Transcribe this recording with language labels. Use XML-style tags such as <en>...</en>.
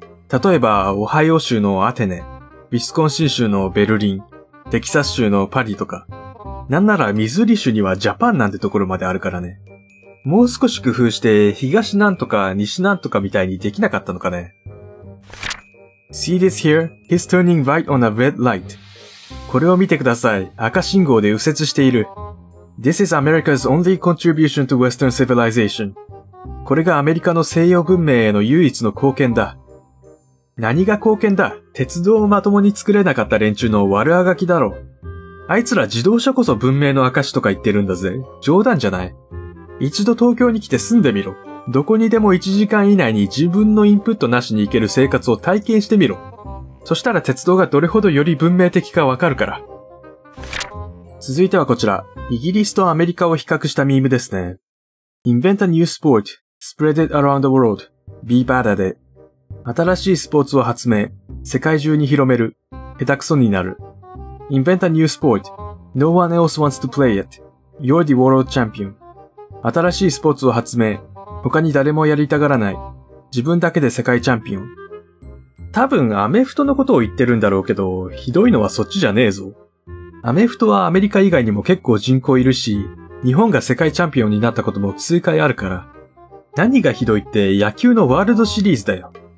<ja>例えば、オハイオ州のアテネ。ウィスコンシン州のベルリン、テキサス州のパリとか、なんならミズーリ州にはジャパンなんてところまであるからね。もう少し工夫して東なんとか西なんとかみたいにできなかったのかね。</ja> <en>See this here? He's turning right on a red light.</en> <ja>これを見てください。赤信号で右折している。</ja> <en>This is America's only contribution to Western civilization.</en> <ja>これがアメリカの西洋文明への唯一の貢献だ。何が貢献だ？鉄道をまともに作れなかった連中の悪あがきだろ。あいつら自動車こそ文明の証とか言ってるんだぜ。冗談じゃない。一度東京に来て住んでみろ。どこにでも1時間以内に自分のインプットなしに行ける生活を体験してみろ。そしたら鉄道がどれほどより文明的かわかるから。続いてはこちら。イギリスとアメリカを比較したミームですね。</ja> <en>Invent a new sport. Spread it around the world. Be bad at it.</en> <ja>新しいスポーツを発明、世界中に広める、下手くそになる。</ja> <en>Invent a new sport. No one else wants to play it. You're the world champion.</en> <ja>新しいスポーツを発明、他に誰もやりたがらない。自分だけで世界チャンピオン。多分アメフトのことを言ってるんだろうけど、ひどいのはそっちじゃねえぞ。アメフトはアメリカ以外にも結構人口いるし、日本が世界チャンピオンになったことも数回あるから。何がひどいって野球のワールドシリーズだよ。</ja>